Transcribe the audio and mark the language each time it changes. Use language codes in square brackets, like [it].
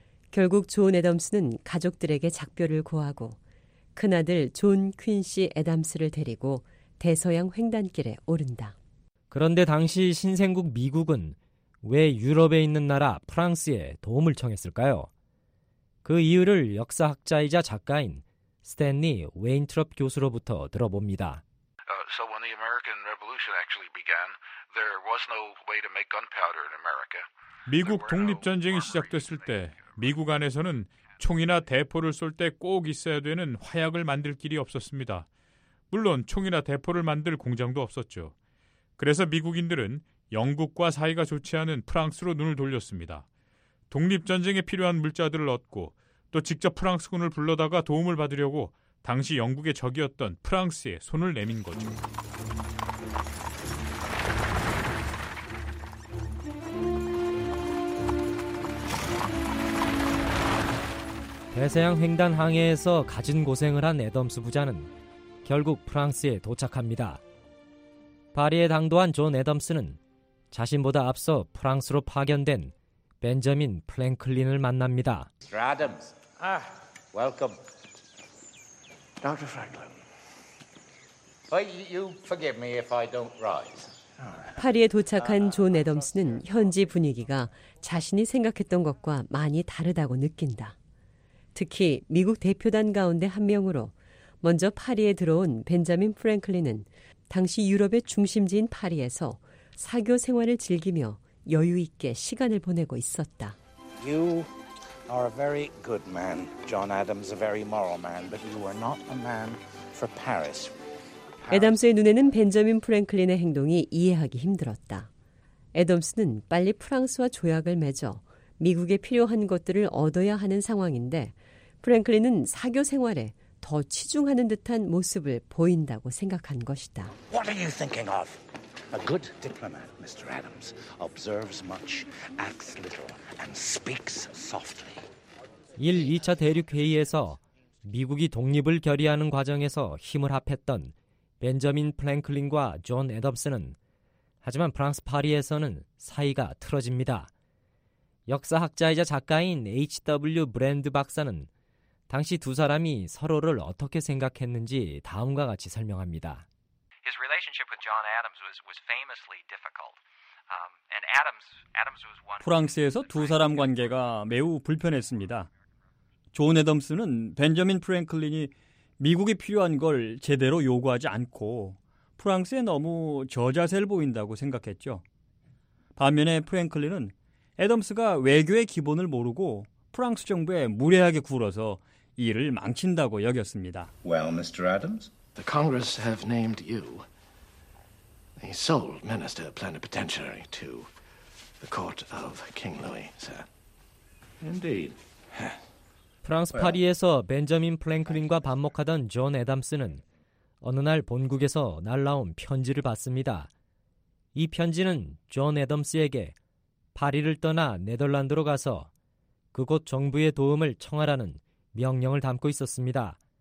[ko] 결국 존 애덤스는 가족들에게 작별을 구하고 큰아들 존 퀸시 애덤스를 데리고 대서양 횡단길에 오른다. 그런데 당시 신생국 미국은 왜 유럽에 있는 나라 프랑스에 도움을 청했을까요? 그 이유를 역사학자이자 작가인 스탠리 웨인트롭 교수로부터 들어봅니다. [en] So when the American Revolution actually began, there was no way to make gunpowder in America. [ko] 미국 독립전쟁이 시작됐을 때 미국 안에서는 총이나 대포를 쏠 때 꼭 있어야 되는 화약을 만들 길이 없었습니다. 물론 총이나 대포를 만들 공장도 없었죠. 그래서 미국인들은 영국과 사이가 좋지 않은 프랑스로 눈을 돌렸습니다. 독립전쟁에 필요한 물자들을 얻고 또 직접 프랑스군을 불러다가 도움을 받으려고 당시 영국의 적이었던 프랑스에 손을 내민 거죠. 대서양 횡단 항해에서 가진 고생을 한 애덤스 부자는 결국 프랑스에 도착합니다. 파리에 당도한 존 애덤스는 자신보다 앞서 프랑스로 파견된 벤저민 프랭클린을 만납니다. [en] Mr. Adams. Ah, welcome. Dr. Franklin. Well, you forgive me if I don't rise. [ko] 파리에 도착한 존 애덤스는 현지 분위기가 자신이 생각했던 것과 많이 다르다고 느낀다. 특히 미국 대표단 가운데 한 명으로 먼저 파리에 들어온 벤자민 프랭클린은 당시 유럽의 중심지인 파리에서 사교 생활을 즐기며 여유 있게 시간을 보내고 있었다. [en] You are a very good man, John Adams, a very moral man, but you are not a man for Paris. [ko] 애덤스의 눈에는 벤자민 프랭클린의 행동이 이해하기 힘들었다. 애덤스는 빨리 프랑스와 조약을 맺어 미국에 필요한 것들을 얻어야 하는 상황인데 프랭클린은 사교 생활에 더 치중하는 듯한 모습을 보인다고 생각한 것이다. [en] What are you thinking of? A good diplomat, Mr. Adams, observes much, acts little, and speaks softly. [ko] 1, 2차 대륙 회의에서 미국이 독립을 결의하는 과정에서 힘을 합했던 벤저민 프랭클린과 존 애덤스는 하지만 프랑스 파리에서는 사이가 틀어집니다. 역사학자이자 작가인 H.W. 브랜드 박사는 당시 두 사람이 서로를 어떻게 생각했는지 다음과 같이 설명합니다. [en] His relationship with John Adams was famously difficult. And Adams was one. [ko] 프랑스에서 두 사람 관계가 매우 불편했습니다. 존 애덤스는 벤저민 프랭클린이 미국이 필요한 걸 제대로 요구하지 않고 프랑스에 너무 저자세를 보인다고 생각했죠. 반면에 프랭클린은 애덤스가 외교의 기본을 모르고 프랑스 정부에 무례하게 굴어서 일을 망친다고 여겼습니다. [en] Well, Mr. Adams, the Congress have named you the sole minister plenipotentiary to the court of King Louis, sir. Indeed. [ko] 프랑스 파리에서 벤저민 프랭클린과 반목하던 존 애덤스는 어느 날 본국에서 날라온 편지를 받습니다. 이 편지는 존 애덤스에게 파리를 떠나 네덜란드로 가서 그곳 정부의 도움을 청하라는 명령을 담고 있었습니다.